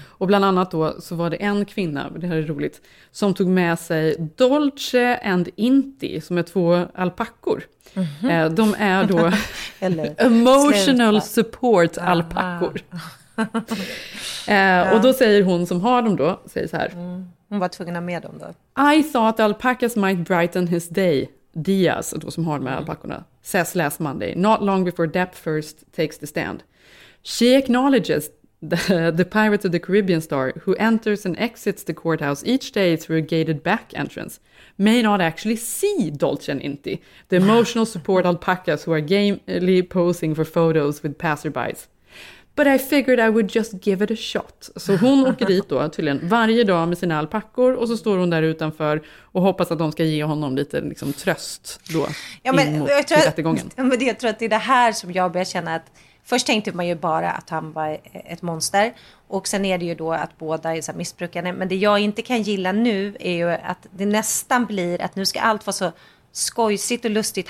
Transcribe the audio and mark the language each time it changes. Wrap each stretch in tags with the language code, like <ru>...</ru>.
<sv>Och bland annat då så var det en kvinna, det här är roligt, som tog med sig Dolce and Inti, som är två alpackor. Mm-hmm. De är då emotional support alpackor. Och då säger hon som har dem då, säger så här. Mm. Hon var tvungen att ha med dem då.</sv> <en>I thought alpacas might brighten his day. Diaz,</en> <sv>då som har de här alpackorna,</sv> <en>says last Monday, not long before Depp first takes the stand. She acknowledges The Pirates of the Caribbean star, who enters and exits the courthouse each day through a gated back entrance, may not actually see Dolce and Inti, the emotional support alpacas who are gamely posing for photos with passerbys. But I figured I would just give it a shot.</en> <sv>Så hon åker dit då tydligen varje dag med sina alpackor och så står hon där utanför och hoppas att de ska ge honom lite liksom, tröst då. Ja, men jag tror att det är det här som jag börjar känna att först tänkte man ju bara att han var ett monster. Och sen är det ju då att båda är så missbrukande. Men det jag inte kan gilla nu är ju att det nästan blir att nu ska allt vara så skojsigt och lustigt.</sv>